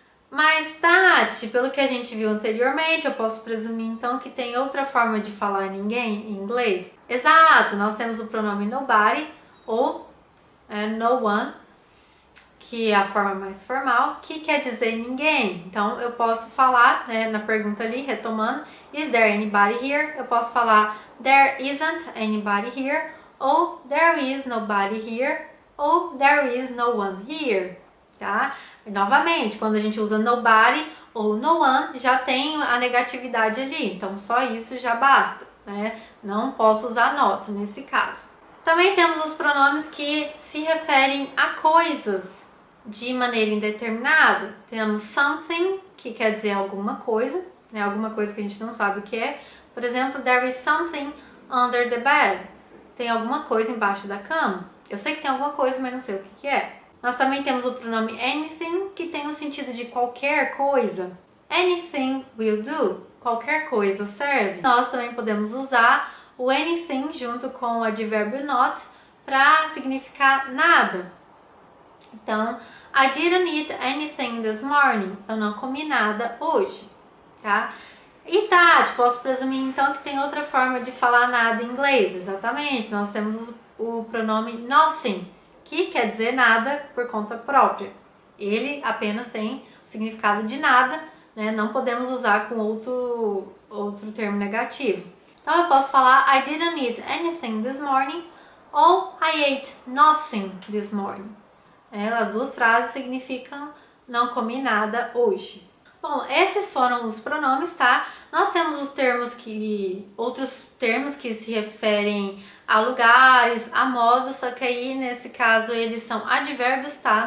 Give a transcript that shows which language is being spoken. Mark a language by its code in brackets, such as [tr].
[pt] Mas, Tati, pelo que a gente viu anteriormente, eu posso presumir, então, que tem outra forma de falar ninguém em inglês? Exato! Nós temos o pronome nobody ou no one, que é a forma mais formal, que quer dizer ninguém. Então, eu posso falar, né, na pergunta ali, retomando, [en] is there anybody here? [pt] Eu posso falar [en] there isn't anybody here, ou there is nobody here, ou there is no one here, tá? [pt] Novamente, quando a gente usa nobody ou no one, já tem a negatividade ali. Então, só isso já basta, né? Não posso usar not nesse caso. Também temos os pronomes que se referem a coisas de maneira indeterminada. Temos something, que quer dizer alguma coisa, né? Alguma coisa que a gente não sabe o que é. Por exemplo, [en] there is something under the bed. [pt] Tem alguma coisa embaixo da cama. Eu sei que tem alguma coisa, mas não sei o que é. Nós também temos o pronome anything, que tem o sentido de qualquer coisa. [en] Anything will do. [pt] Qualquer coisa serve. Nós também podemos usar o anything junto com o advérbio not para significar nada. [en] Então, I didn't eat anything this morning. [pt] Eu não comi nada hoje. Tá? E tá, posso presumir então que tem outra forma de falar nada em inglês. Exatamente. Nós temos o pronome nothing, que quer dizer nada por conta própria. Ele apenas tem o significado de nada, né? Não podemos usar com outro termo negativo. Então eu posso falar [en] I didn't eat anything this morning ou I ate nothing this morning. [pt] É, as duas frases significam não comi nada hoje. Bom, esses foram os pronomes, tá? Nós temos os termos que... outros termos que se referem a lugares, a modos, só que aí, nesse caso, eles são advérbios, tá?